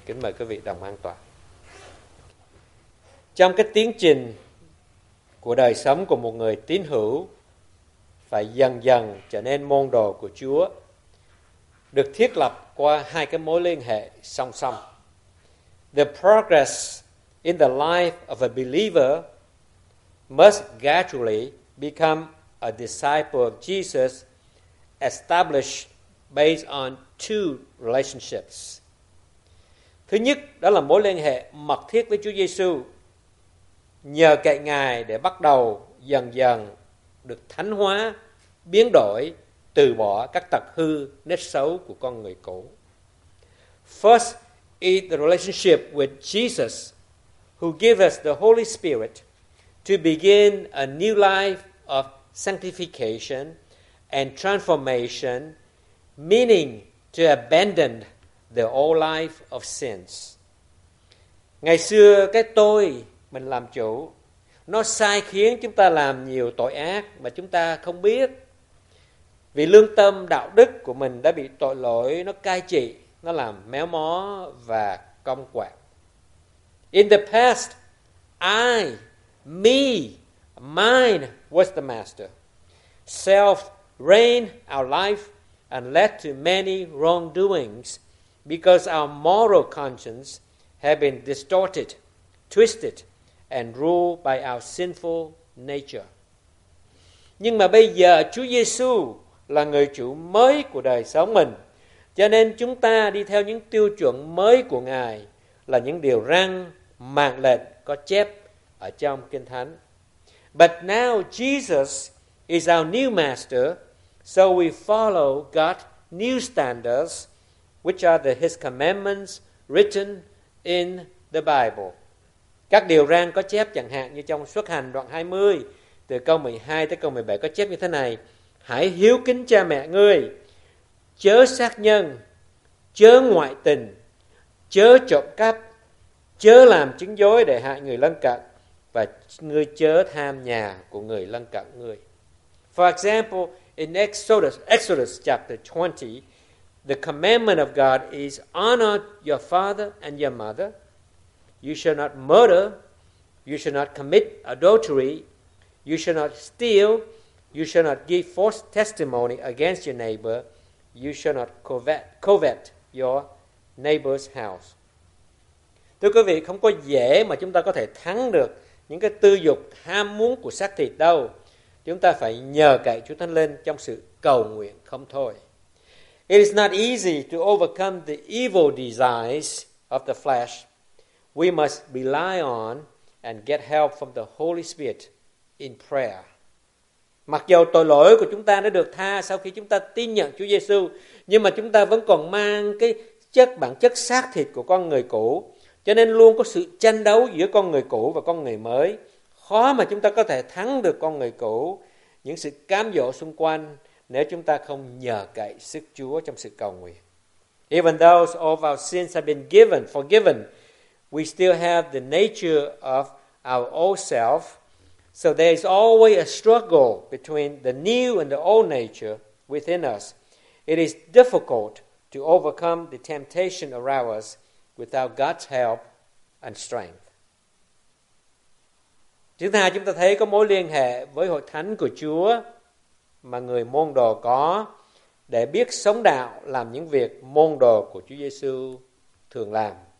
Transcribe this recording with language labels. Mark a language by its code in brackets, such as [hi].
[vi] Kính mời quý vị đồng an toàn. Trong cái tiến trình của đời sống của một người tín hữu phải dần dần trở nên môn đồ của Chúa được thiết lập qua hai cái mối liên hệ song song. [en] The progress in the life of a believer must gradually become a disciple of Jesus established based on two relationships. [vi] Thứ nhất, đó là mối liên hệ mật thiết với Chúa Giêsu, nhờ cậy Ngài để bắt đầu dần dần được thánh hóa, biến đổi, từ bỏ các tật hư, nét xấu của con người cũ. [en] First is the relationship with Jesus, who gives us the Holy Spirit to begin a new life of sanctification and transformation, meaning to abandon the old life of sins. [vi] Ngày xưa, cái tôi mình làm chủ, nó sai khiến chúng ta làm nhiều tội ác mà chúng ta không biết. Vì lương tâm đạo đức của mình đã bị tội lỗi, nó cai trị, nó làm méo mó và công quạng. [en] In the past, I, me, mine was the master. Self reigned our life and led to many wrongdoings because our moral conscience had been distorted, twisted, and ruled by our sinful nature. [vi] Nhưng mà bây giờ Chúa Giêsu là người chủ mới của đời sống mình, cho nên chúng ta đi theo những tiêu chuẩn mới của Ngài là những điều răn, mạng lệnh có chép ở trong Kinh Thánh. [en] But now Jesus is our new master, so we follow God's new standards, which are his commandments written in the Bible. [vi] Các điều răn có chép chẳng hạn như trong Xuất Hành đoạn 20, từ câu 12 tới câu 17 có chép như thế này: Hãy hiếu kính cha mẹ ngươi, chớ sát nhân, chớ ngoại tình, chớ trộm cắp, chớ làm chứng dối để hại người lân cận, và ngươi chớ tham nhà của người lân cận ngươi. [en] For example, in Exodus chapter 20, the commandment of God is honor your father and your mother. You shall not murder. You shall not commit adultery. You shall not steal. You shall not give false testimony against your neighbor. You shall not covet your neighbor's house. [vi] Thưa quý vị, không có dễ mà chúng ta có thể thắng được những cái tư dục ham muốn của xác thịt đâu. Chúng ta phải nhờ cậy Chúa Thánh Linh trong sự cầu nguyện không thôi. [en] It is not easy to overcome the evil desires of the flesh. We must rely on and get help from the Holy Spirit in prayer. [vi] Mặc dù tội lỗi của chúng ta đã được tha sau khi chúng ta tin nhận Chúa Giêsu, nhưng mà chúng ta vẫn còn mang cái chất bản chất xác thịt của con người cũ, cho nên luôn có sự tranh đấu giữa con người cũ và con người mới, khó mà chúng ta có thể thắng được con người cũ, những sự cám dỗ xung quanh, nếu chúng ta không nhờ cậy sức Chúa trong sự cầu nguyện. [en] Even though all our sins have been forgiven, we still have the nature of our old self. So there is always a struggle between the new and the old nature within us. It is difficult to overcome the temptation around us without God's help and strength. [vi] Chúng ta thấy có mối liên hệ với hội thánh của Chúa mà người môn đồ có để biết sống đạo, làm những việc môn đồ của Chúa Giêsu thường làm.